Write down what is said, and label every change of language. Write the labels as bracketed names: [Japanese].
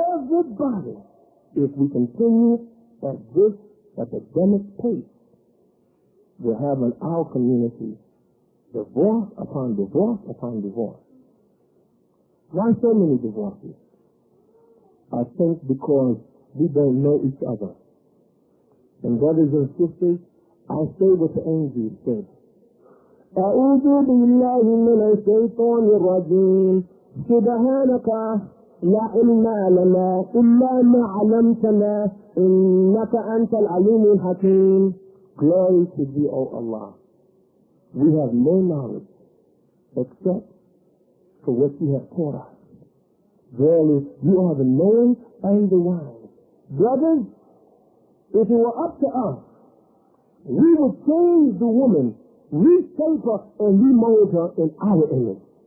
[English] Everybody, if we continue at this epidemic pace, we'll have in our community divorce upon divorce upon divorce. Why so many divorces? I think because we don't know each other. And brothers and sisters, I say what the angels said. [Arabic] أعوذ بالله من الشيطان الرجيم سبحانك لا علم لنا إلا ما علمتنا إنك أنت العليم الحكيم. [English] Glory to thee, O Allah. We have no knowledge except for what you have taught us. Verily, you are the knowing and the wise. Brothers, if it were up to us, we would change the woman, reshape her, and remold her in our image.